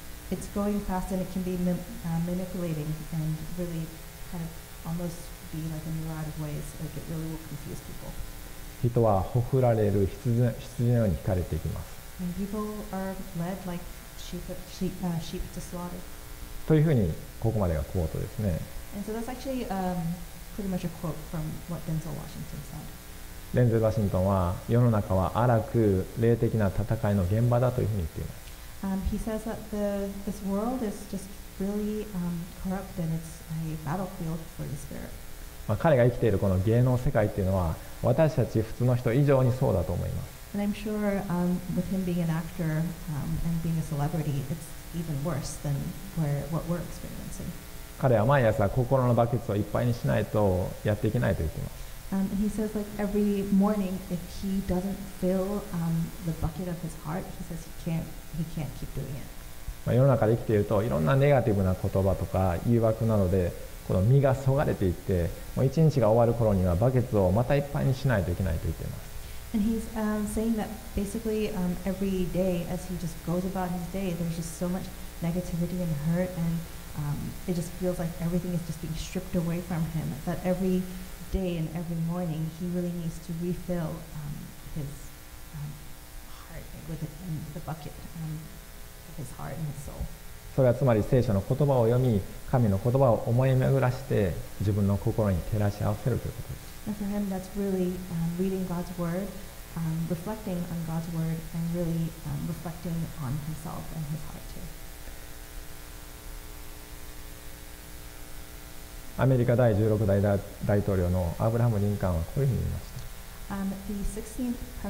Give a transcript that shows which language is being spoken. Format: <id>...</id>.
<en>It's going fast and it can be manipulating and really kind of almost be like a neurotic ways. Like it really will confuse people.</en> <ja>人はほふられる羊のように惹かれていきます。</ja> <en>And people are led like sheep to slaughter.</en> <ja>というふうにここまでがクォートですね。</ja> <en>And so that's actually, pretty much a quote from what Denzel Washington said.</en> <ja>Denzel Washington は世の中は荒く霊的な戦いの現場だというふうに言っています。</ja> <en>He says that this world is just really corrupt and it's a battlefield for the spirit.</en> <ja>彼が生きているこの芸能世界っていうのは私たち普通の人以上にそうだと思います。</ja> <en>And I'm sure with him being an actor and being a celebrity, it's even worse than what we're experiencing.</en> <ja>彼は毎朝心のバケツをいっぱいにしないとやっていけないと言っています。</ja> <en>He says like every morning if he doesn't fill the bucket of his heart, he says he can't keep doing it.</en> <ja>世の中で生きているといろんなネガティブな言葉とか誘惑などでこの身がそがれていってもう一日が終わる頃にはバケツをまたいっぱいにしないといけないと言っています。</ja> <en>And he's saying that basically every day as he just goes about his day, there's just so much negativity and hurt andit just feels like everything is just being stripped away from him. That every day and every morning, he really needs to refill his heart with the bucket of his heart and his soul.</en> <ja>それはつまり聖書の言葉を読み、神の言葉を思い巡らして自分の心に照らし合わせるということです。</ja> <en>And for him, that's really reading God's word, reflecting on God's word, and really reflecting on himself and his heart.</en> <ja>アメリカ第16代大統領のアブラハム・リンカーンはこういうふうに言いました。</ja>